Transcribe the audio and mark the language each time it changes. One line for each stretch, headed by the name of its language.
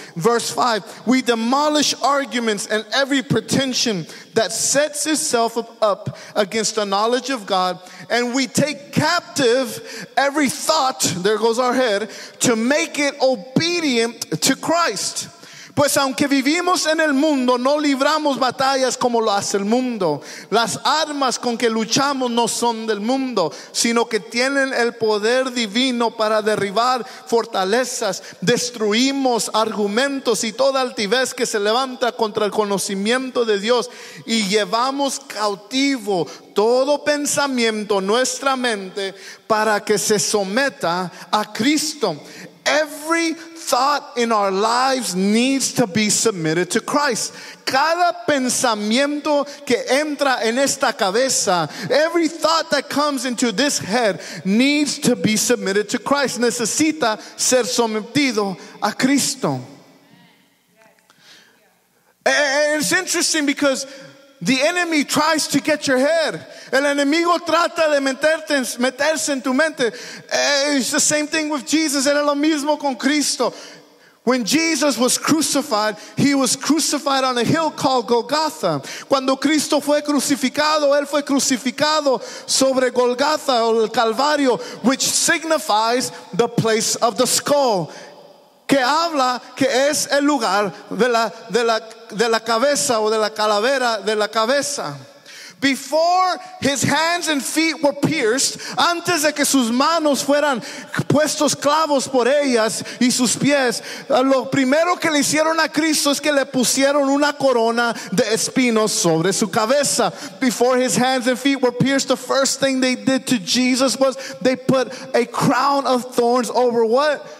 English: Verse 5, we demolish arguments and every pretension that sets itself up against the knowledge of God. And we take captive every thought, there goes our head, to make it obedient to Christ.
Spanish: Pues aunque vivimos en el mundo, no libramos batallas como lo hace el mundo. Las armas con que luchamos no son del mundo, sino que tienen el poder divino para derribar fortalezas. Destruimos argumentos y toda altivez que se levanta contra el conocimiento de Dios y llevamos cautivo todo pensamiento, nuestra mente, para que se someta a Cristo.
English: Every thought in our lives needs to be submitted to Christ.
Spanish: Cada pensamiento que entra en esta cabeza,
English: every thought that comes into this head needs to be submitted to Christ.
Spanish: Necesita ser sometido a Cristo.
English: And it's interesting because the enemy tries to get your head.
Spanish: El enemigo trata de meterse en tu mente.
English: It's the same thing with Jesus.
Spanish: Era lo mismo con Cristo.
English: When Jesus was crucified, he was crucified on a hill called Golgotha.
Spanish: Cuando Cristo fue crucificado, él fue crucificado sobre Golgotha, o el Calvario,
English: which signifies the place of the skull.
Spanish: Que habla que es el lugar de la cabeza o de la calavera de la cabeza.
English: Before his hands and feet were pierced,
Spanish: antes de que sus manos fueran puestos clavos por ellas y sus pies, lo primero que le hicieron a Cristo es que le pusieron una corona de espinos sobre su cabeza.
English: Before his hands and feet were pierced, the first thing they did to Jesus was they put a crown of thorns over what?